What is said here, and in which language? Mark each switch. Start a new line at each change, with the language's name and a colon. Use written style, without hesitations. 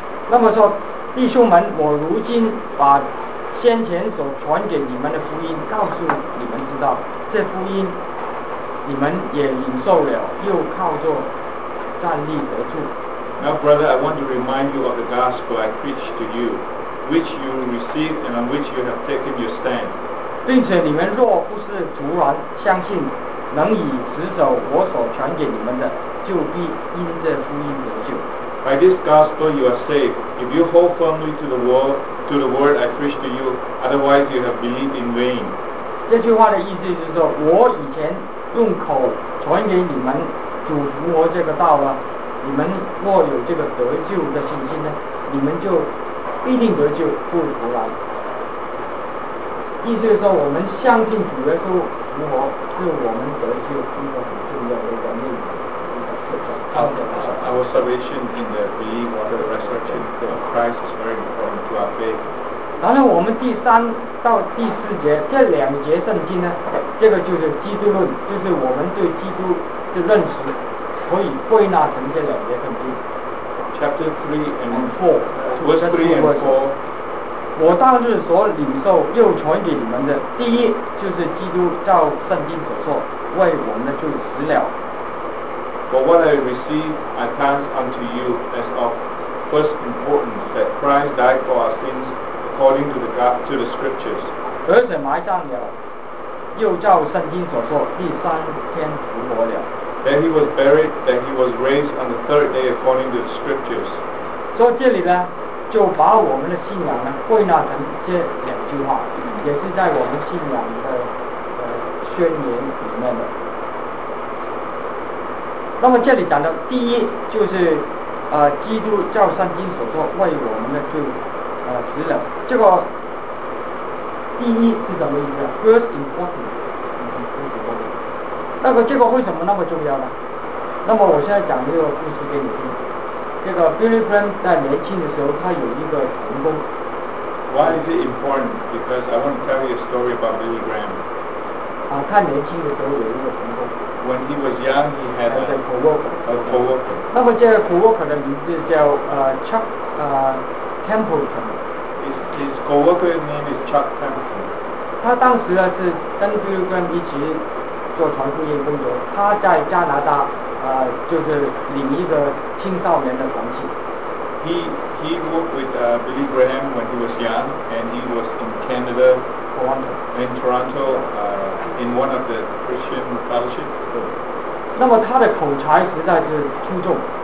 Chinese: 那么说，弟兄们，我如今把先前所传给你们的福音告诉你们知道，这福音你们也领受了，又靠着站立得住。
English: Now, brother, I want to remind you of the gospel I preached to you, which you received and on which you have taken your stand.
Chinese: 并且你们若不是突然相信，能以持守我所传给你们的，就必因这福音得救。
English: By this gospel you are saved, if you hold firmly to the word I preached to you, otherwise you have believed in vain.
Chinese: 这句话的意思就是说，我以前用口传给你们主复活这个道了。你们若有这个得救的信心呢，你们就必定得救，不徒然。意思是说，我们相信主耶稣复活，是我们得救一个很重要的一个秘密。
English: Our salvation in the belief or the resurrection of Christ is very important to our faith.
Chinese: 然后我们第三到第四节这两节圣经呢，这个就是基督论，就是我们对基督的认识。可以归纳成这两节圣经
English: ，Chapter 3 and 4。
Chinese: 我当日所领受又传给你们的，第一就是基督照圣经所说为我们的罪死了。
English: For what I received, I pass unto you as of first importance that Christ died for our sins according to the Scriptures.
Chinese: 而且埋葬了，又照圣经所说第三天复活了。
English: That he was buried, that he was raised on the third day according to the scriptures.
Chinese: 所以这里呢，就把我们的信仰呢归纳成这两句话，也是在我们信仰的宣言里面的。那么这里讲的第一就是基督照圣经所说为我们的罪死了。这个第一是什么意思 ？
English: First important.
Chinese: 那个这个为什么那么重要呢？那么我现在讲这个故事给你听。这个 Billy Graham 在年轻的时候，他有一个同工。
English: Why is it important? Because I want to tell you a story about Billy Graham.
Chinese: 他年轻的时候有一个同工。
English: When he was young, he had a co-worker.
Chinese: 那么这个 co-worker 的名字叫Chuck Templeton.
English: His co-worker's name is Chuck Templeton.
Chinese: 他当时呢是跟 Billy Graham 一起。做传福音工作，他在加拿大，就是领一个青少年的团契。
English: He worked with Billy Graham when he was young, and he was in Canada Toronto. In Toronto, in one of the Christian fellowships.
Chinese: 那么他的口才实在是出众。